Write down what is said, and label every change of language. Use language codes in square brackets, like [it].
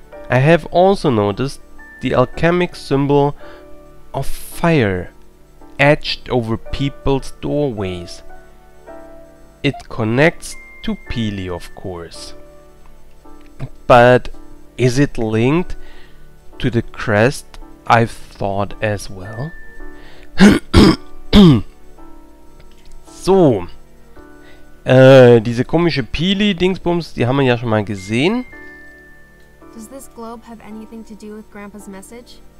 [en] I have also noticed the alchemic symbol of fire etched over people's doorways. It connects to Pili, of course. But is it linked to the crest I've thought as well? [de] So, diese komische Pili-Dingsbums, die haben wir ja schon mal gesehen. [en] Does this globe have anything to do with Grandpa's message?